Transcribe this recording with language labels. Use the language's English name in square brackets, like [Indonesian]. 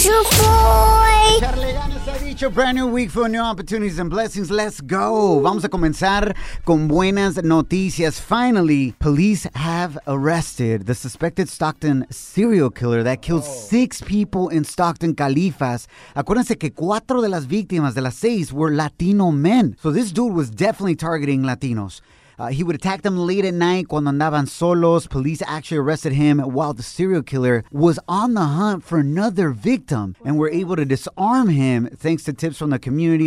[English] Your boy. Dicho, brand new week for new opportunities and blessings. Let's go. [Spanish] Vamos a comenzar con buenas noticias. [English] Finally, police have arrested the suspected Stockton serial killer that killed six people in Stockton, Califas. [Spanish] Acuérdense que cuatro de las víctimas de las seis [English] were Latino men. So this dude was definitely targeting Latinos. He would attack them late at night [Spanish] cuando andaban solos. [English] Police actually arrested him while the serial killer was on the hunt for another victim and were able to disarm him thanks to tips from the community.